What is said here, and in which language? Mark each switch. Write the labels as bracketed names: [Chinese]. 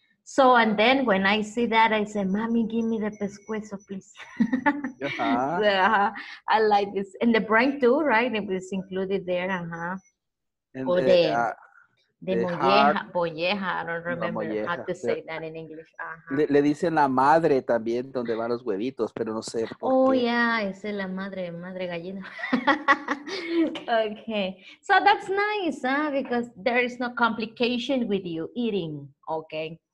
[English] So, and then when I see that, I say, Mommy, give me the pescuezo, please. I like this. And the brain too, right? It was included there, Or the molleja, I don't remember how to say that in English. [Spanish] Le dicen la madre también, donde van los huevitos, pero no sé por oh, qué. [English] Oh, yeah, [Spanish] es la madre, madre gallina. [English] Okay, so that's nice, because there is no complication with you eating, okay?